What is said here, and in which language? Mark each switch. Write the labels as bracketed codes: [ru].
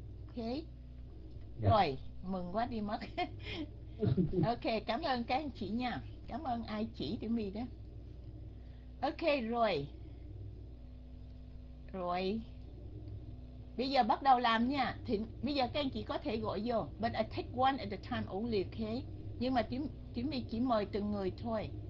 [vi] Ok. Rồi, mừng quá đi mất. Ok, cảm ơn các anh chị nha. Cảm ơn ai chỉ tụi mình đó. Ok rồi. Rồi. Bây giờ bắt đầu làm nha. Thì bây giờ các anh chị có thể gọi vô. [en] But I take one at a time only, ok? [vi] Nhưng mà tụi mình chỉ mời từng người thôi.